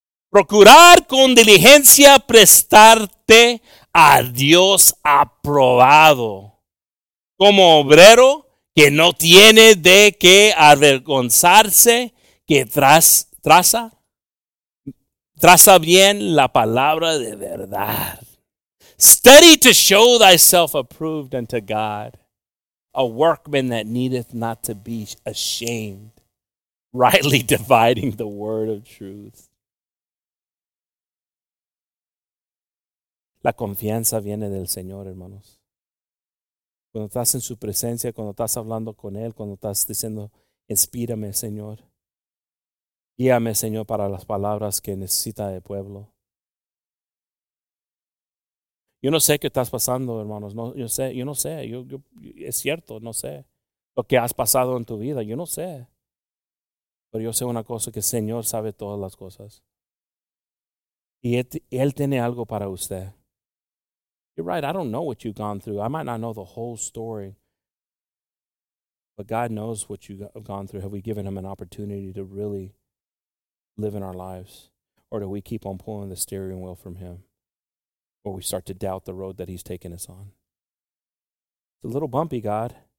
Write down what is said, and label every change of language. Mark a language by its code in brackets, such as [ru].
[es] Procurar con diligencia prestarte a Dios aprobado como obrero que no tiene de qué avergonzarse, que traza bien la palabra de verdad. [en] Study to show thyself approved unto God, a workman that needeth not to be ashamed, rightly dividing the word of truth. [es] La confianza viene del Señor, hermanos. Cuando estás en su presencia, cuando estás hablando con Él, cuando estás diciendo, inspírame, Señor. Guíame, Señor, para las palabras que necesita el pueblo. Yo no sé qué estás pasando, hermanos. No, yo no sé. Es cierto, no sé. Lo que has pasado en tu vida, yo no sé. Pero yo sé una cosa, que el Señor sabe todas las cosas. Y Él tiene algo para usted. [en] You're right, I don't know what you've gone through. I might not know the whole story. But God knows what you've gone through. Have we given Him an opportunity to really live in our lives, or do we keep on pulling the steering wheel from Him, or we start to doubt the road that He's taking us on? It's a little bumpy, God.